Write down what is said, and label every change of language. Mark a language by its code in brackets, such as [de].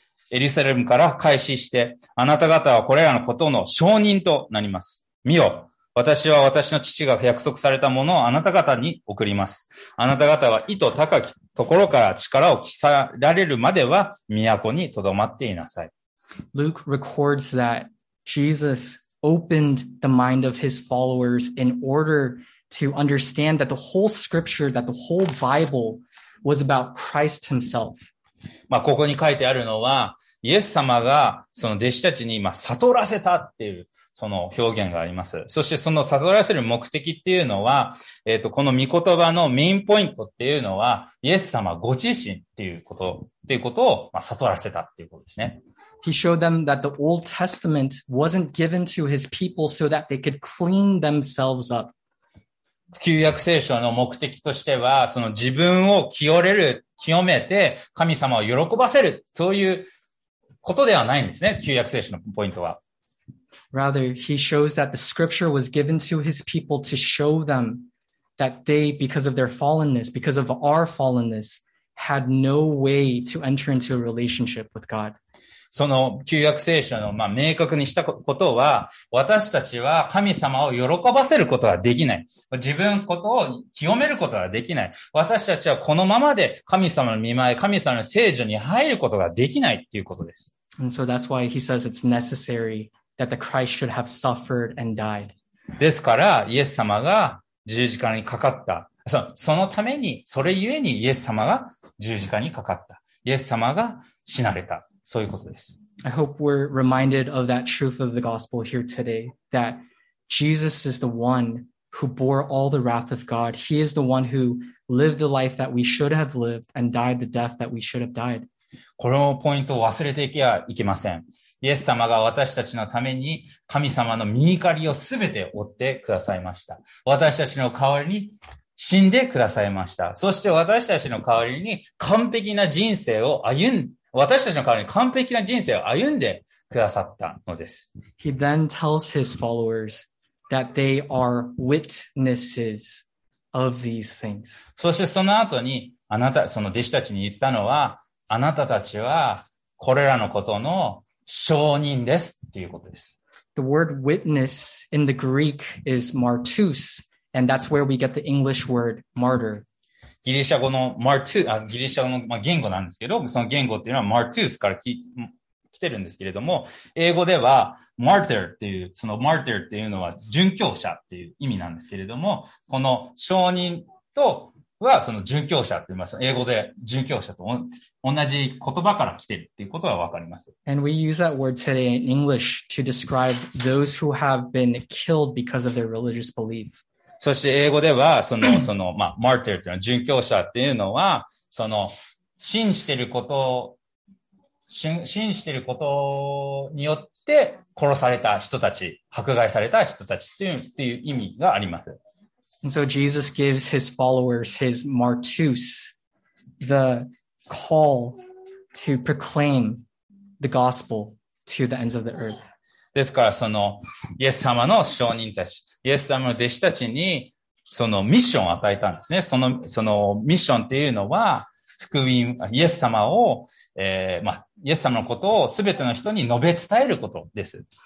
[ja] エルサレムから開始して、あなた方はこれらのことの証人となります。見よ、私は私の父が約束されたものをあなた方に送ります。あなた方は意図高きところから力を着せられるまでは都にとどまっていなさい。 [en] Luke records that Jesus opened the mind of his followers in order to understand that the whole scripture, that the whole Bible,was about Christ himself. [ja] まあ、ここに書いてあるのは、イエス様がその弟子たちに、まあ、悟らせたっていう、その表現があります。そしてその悟らせる目的っていうのは、この御言葉のメインポイントっていうのは、イエス様ご自身っていうこと、っていうことを、まあ、悟らせたっていうことですね。 [en] He showed them that the Old Testament wasn't given to his people so that they could clean themselves up. [ja] 旧約聖書の目的としては、その自分を清めて、神様を喜ばせる、そういうことではないんですね、旧約聖書のポイントは。 [en] Rather, he shows that the scripture was given to his people to show them that they, because of their fallenness, because of our fallenness, had no way to enter into a relationship with God. [ja] その旧約聖書のまあ明確にしたことは、私たちは神様を喜ばせることはできない。自分ことを清めることはできない。私たちはこのままで神様の御前、神様の聖所に入ることができないっていうことです。 [en] And so that's why he says it's necessary that the Christ should have suffered and died. [ja] ですから、イエス様が十字架にかかった。そのために、それゆえにイエス様が十字架にかかった。イエス様が死なれた。そういうことです。 [en] I hope we're reminded of that truth of the gospel here today, that Jesus is the one who bore all the wrath of God. He is the one who lived the life that we should have lived and died the death that we should have died. [ja] このポイントを忘れていけはいけません。イエス様が私たちのために神様の御怒りをすべて負ってくださいました。私たちの代わりに死んでくださいました。そして私たちの代わりに完璧な人生を歩ん、私たちの代わりに完璧な人生を歩んでくださったのです。 [en] He then tells his followers that they are witnesses of these things. [ja] そしてその後に、あなた、その弟子たちに言ったのは、あなたたちはこれらのことの証人ですっていうことです。 [en] The word witness in the Greek is martus. And that's where we get the English word martyr. [ja] ギリシャ語のマルトゥ、あ、ギリシャ語の、まあ、言語なんですけど、その言語っていうのはマルトゥスから来てるんですけれども、英語ではマルトゥっていう、そのマルトゥっていうのは殉教者っていう意味なんですけれども、この証人とはその殉教者って言います。英語で殉教者と同じ言葉から来てるっていうことがわかります。 [en] And we use that word today in English to describe those who have been killed because of their religious belief. [ja] そして英語では、その、まあ、マーティーというのは、殉教者っていうのは、その、信じてることを、信じてることによって、殺された人たち、迫害された人たちっていう意味があります。 And so Jesus gives his followers his martus, the call to proclaim the gospel to the ends of the earth. ですから、その、イエス様の証人たち、イエス様の弟子たちに、そのミッションを与えたんですね。そのミッションっていうのは、福音、イエス様を、まあ、イエス様のことを全ての人に述べ伝えることです。